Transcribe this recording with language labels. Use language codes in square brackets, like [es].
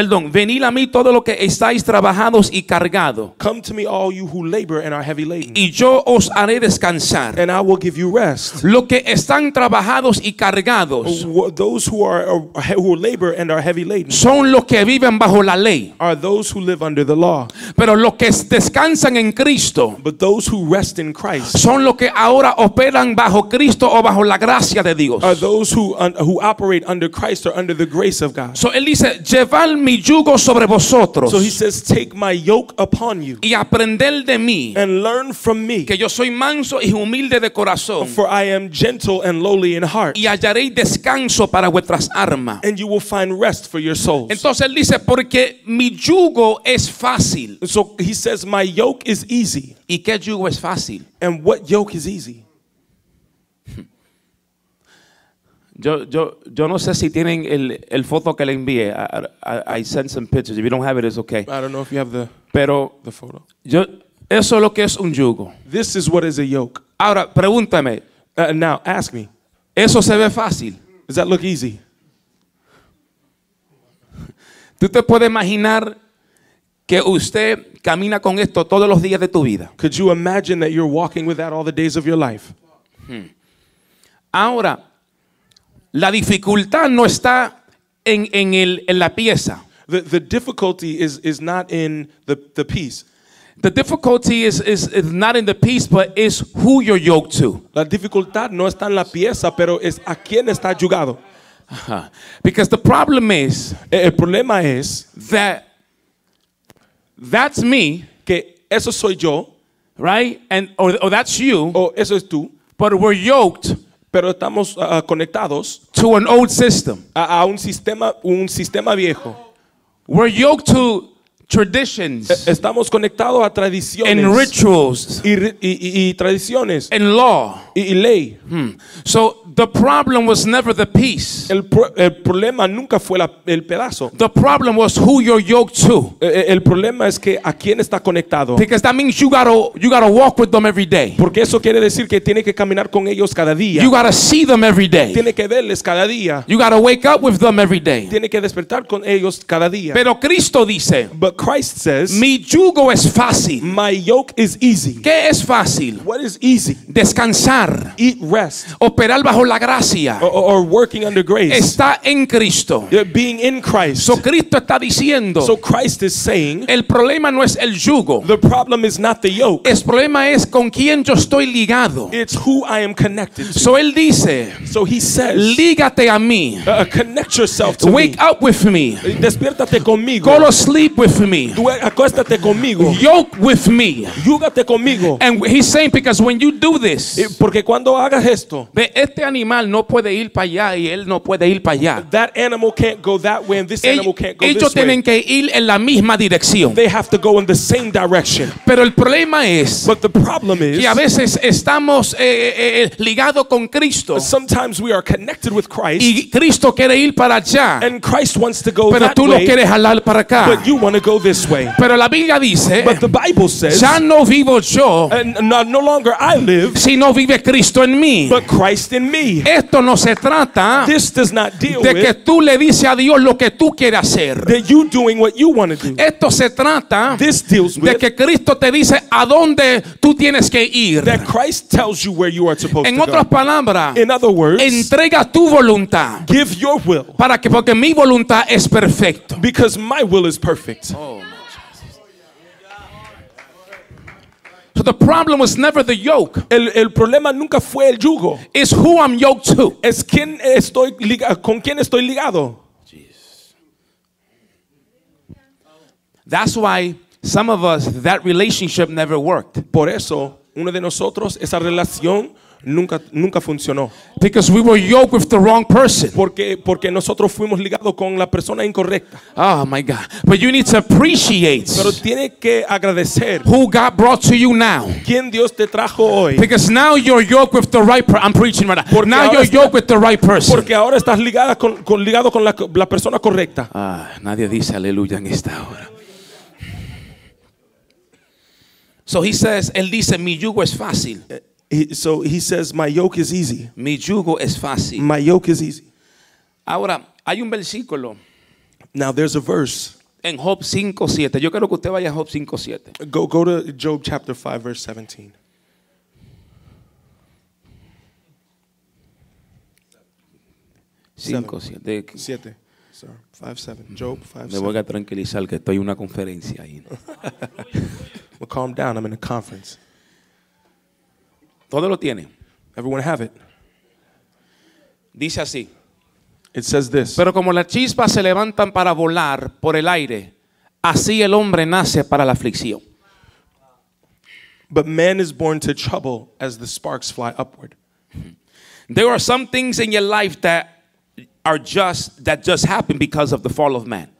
[es] Venid a mí todo lo que estáis trabajados y cargado. [en] Come to me all you who labor and are heavy laden. [es] Y yo os haré descansar. [en] And I will give you rest. [es] Lo que están trabajados y cargados. [en] Those who labor and are heavy laden. [es] Son los que viven bajo la ley. [en] Are those who live under the law. [es] Pero los que descansan en Cristo. [en] But those who rest in Christ. [es] Son los que ahora operan bajo Cristo o bajo la gracia de Dios. [en] Are those who operate under Christ or under the grace of God. [es] So él dice, llevad mi yugo sobre vosotros. [en] So he says, take my yoke upon you. [es] Y aprender de mí. [en] And learn from me. [es] Que yo soy manso y humilde de corazón. [en] For I am gentle and lowly in heart. [es] Y hallaré descanso para vuestras almas. [en] And you will find rest for your souls. [es] Entonces él dice, porque mi yugo es fácil. [en] So he says, my yoke is easy. [es] ¿Y qué yugo es fácil? [en] And what yoke is easy? [es] Yo no sé si tienen el foto que le envié. [en] I sent some pictures. If you don't have it, it's okay. I don't know if you have [es] pero [en] the photo. [es] Yo Eso es lo que es un yugo. [en] This is what is a yoke. [es] Ahora, pregúntame. [en] Now, ask me. [es] Eso se ve fácil. [en] Does that look easy? [es] ¿Tú te puedes imaginar que usted camina con esto todos los días de tu vida? [en] Could you imagine that you're walking with that all the days of your life? [es] Ahora, la dificultad no está en la pieza. [en] The difficulty is not in the piece. The difficulty is not in the piece, but is who you're yoked to. [es] La dificultad no está en la pieza, pero es a quién está yugado. [en] Because the problem is, [es] el problema es [en] that's me, [es] que eso soy yo, [en] right? And or that's you. [es] O eso es tú. [en] But we're yoked, [es] pero estamos conectados [en] to an old system. [es] A un sistema viejo. [en] We're yoked to traditions. [es] Estamos conectados a tradiciones. [en] And rituals. [es] Y tradiciones. [en] And law. [es] Y ley. [en] So the problem was never the piece. [es] El problema nunca fue el pedazo. [en] The problem was who you're yoked to. [es] El problema es que a quién está conectado. [en] Because that means you gotta walk with them every day. [es] Porque eso quiere decir que tiene que caminar con ellos cada día. [en] You gotta see them every day. [es] Tiene que verles cada día. [en] You gotta wake up with them every day. [es] Tiene que despertar con ellos cada día. Pero Cristo dice. [en] But Christ says. [es] Mi yugo es fácil. [en] My yoke is easy. [es] ¿Qué es fácil? [en] What is easy? [es] Descansar. [en] Eat rest. [es] Operar bajo la gracia. [en] Or working under grace. [es] Está en Cristo. [en] Being in Christ. [es] So Cristo está diciendo. [en] So Christ is saying. [es] El problema no es el yugo. [en] The problem is not the yoke. [es] El problema es con quién yo estoy ligado. [en] It's who I am connected to. [es] So él dice. [en] So he says. [es] Lígate a mí. [en] Connect yourself to wake me. Wake up with me. [es] Despiértate conmigo. [en] Go to sleep with me. [es] Acuéstate conmigo. [en] Yoke with me. [es] Yúgate conmigo. [en] And he's saying because when you do this. [es] Porque cuando hagas esto. Este animal no puede ir para allá y él no puede ir para allá. [en] That animal can't go that way and this animal can't go this way. [es] Ellos tienen que ir en la misma dirección. [en] They have to go in the same direction. [es] Pero el problema es. [en] But the problem is. [es] Que a veces estamos ligados con Cristo. [en] Sometimes we are connected with Christ. [es] Y Cristo quiere ir para allá. [en] And Christ wants to go that way. [es] Pero tú lo quieres jalar para acá. [en] But you want to go this way. [es] Pero la Biblia dice. [en] But the Bible says. [es] Ya no vivo yo. [en] And no longer I live. [es] Sino vive Cristo en mí. [en] But Christ in me. [es] Esto no se trata de que tú le dices a Dios lo que tú quieres hacer. [en] That you doing what you want to do. [es] Esto se trata de que Cristo te dice a dónde tú tienes que ir. [en] That Christ tells you where you are supposed to go. [es] En otras palabras, [en] in other words, [es] entrega tu voluntad. [en] Give your will. [es] Para que porque mi voluntad es perfecto. [en] Because my will is perfect. So the problem was never the yoke. [es] El problema nunca fue el yugo. [en] It's who I'm yoked to. [es] Es quien estoy con quien estoy ligado. Jeez. [en] That's why some of us that relationship never worked. [es] Por eso uno de nosotros esa relación nunca funcionó. [en] Because we were yoked with the wrong person. [es] Porque nosotros fuimos ligados con la persona incorrecta. [en] Oh my God. But you need to appreciate. [es] Pero tiene que agradecer. [en] Who God brought to you now. [es] ¿Quién Dios te trajo hoy? [en] Because now you're yoked with the right person. I'm preaching right now. [es] Porque [en] now you're yoked with the right person. [es] Porque ahora estás ligado con la persona correcta. Ah, nadie dice aleluya en esta hora. [en] So he says, [es] él dice, mi yugo es fácil. [en] So he says, my yoke is easy. [es] Mi yugo es fácil. [en] My yoke is easy. [es] Ahora, hay un versículo. [en] Now there's a verse. [es] En Job 5:7. Yo quiero que usted vaya a Job 5:7. [en] Go to Job chapter 5, verse 17. 5:7. Sorry. 5:7. Job 5:7. [es] Me voy a tranquilizar que estoy en una conferencia ahí. [en] Well, calm down. I'm in a conference. [es] Todo lo tiene. [en] Everyone have it. [es] Dice así. [en] It says this. [es] Pero como las chispas se levantan para volar por el aire, así el hombre nace para la aflicción. [en] But man is born to trouble as the sparks fly upward. There are some things in your life that are just happen because of the fall of man.